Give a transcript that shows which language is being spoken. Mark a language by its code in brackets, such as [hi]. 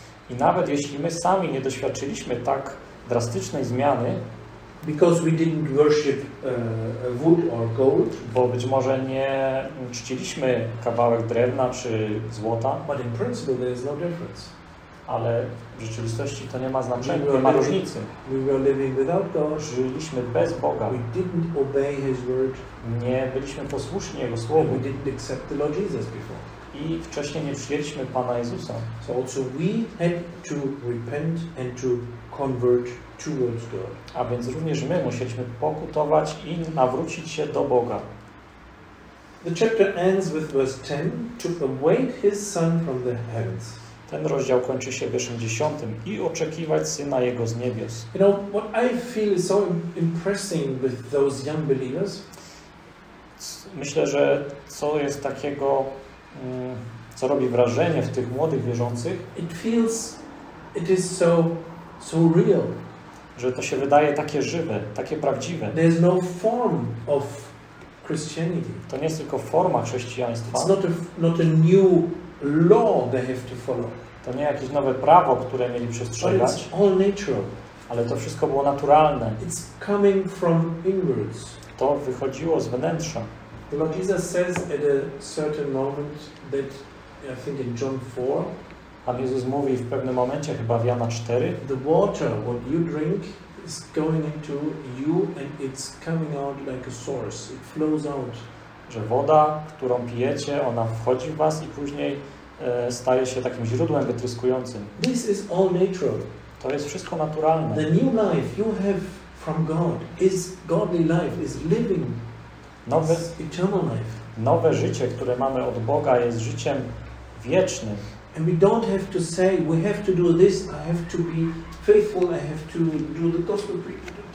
[pl] i nawet jeśli my sami nie doświadczyliśmy tak drastycznej zmiany, [en] because we didn't worship wood or gold, [pl] bo być może nie czciliśmy kawałek drewna czy złota, [en] but in principle there is no difference. [pl] Ale w rzeczywistości to nie ma znaczenia, nie ma różnicy. [en] We were living without God. [pl] Żyliśmy bez Boga. [en] We didn't obey His word. [pl] Nie byliśmy posłuszni Jego Słowu. [en] We didn't accept the Lord Jesus before. [pl] I wcześniej nie przyjęliśmy Pana Jezusa. [en] So also we had to repent and to convert towards God. [pl] A więc również my musieliśmy pokutować i nawrócić się do Boga. [en] The chapter ends with verse 10. To await His Son from the heavens. [pl] Ten rozdział kończy się wierszem 10 i oczekiwać Syna Jego z niebios. [en] You know, what I feel is so impressing with those young believers. [pl] Myślę, że co jest takiego, co robi wrażenie w tych młodych wierzących. [en] It feels, it is so real. [pl] Że to się wydaje takie żywe, takie prawdziwe. [en] There is no form of Christianity. [pl] To nie jest tylko forma chrześcijaństwa. [en] It's not a new law they have to follow. [pl] To nie jakieś nowe prawo, które mieli przestrzegać. [en] All natural. [pl] Ale to wszystko było naturalne. [en] It's coming from inwards. [pl] To wychodziło z wnętrza. [en] The Lord Jesus says at a certain moment that I think in John 4. [pl] Pan Jezus mówi w pewnym momencie, chyba w Jana 4. [en] The water, what you drink, is going into you and it's coming out like a source. It flows out. [pl] że woda, którą pijecie, ona wchodzi w was i później staje się takim źródłem wytryskującym. [en] This is all natural. [pl] To jest wszystko naturalne. [en] The new life you have from God is godly life, is living. [pl] Nowe, [en] eternal life. [pl] Nowe życie, które mamy od Boga, jest życiem wiecznym. [en] And we don't have to say we have to do this, I have to be faithful, I have to do the gospel preaching.